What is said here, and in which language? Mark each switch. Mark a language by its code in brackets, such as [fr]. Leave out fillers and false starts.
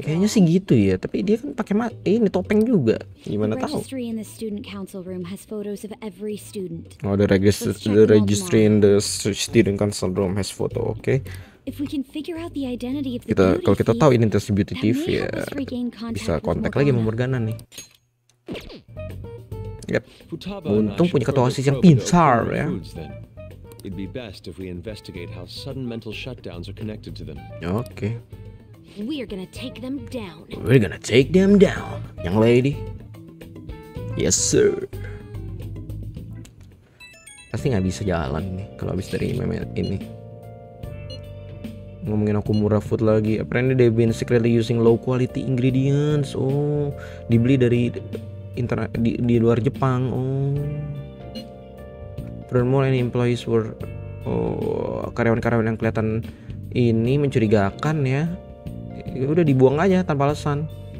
[id] Kayaknya sih gitu ya, tapi dia kan pakai ini topeng juga. Gimana tahu? [en] Registry in the student council room has photos of every student. Oh, the registry in the student council room has photo, okay? If we can figure out the identity of the [id] kita, kalau kita tahu identitas Beauty Thief ya, bisa kontak lagi sama Morgana nih. [en] Yep. [id] Untung punya ketua OSIS yang pintar ya. [en] It'd be best if we investigate how sudden mental shutdowns are connected to them. Okay. We are gonna take them down. We're gonna take them down, young lady. Yes, sir. [id] Pasti nggak bisa jalan nih kalau habis dari memet ini. Ngomongin Okumura Food lagi. [en] Apparently they've been secretly using low quality ingredients. [id] Oh, dibeli dari di luar Jepang. Oh. [en] Furthermore, any employees were [id] karyawan-karyawan yang kelihatan ini mencurigakan ya. Ya udah dibuang aja tanpa alasan.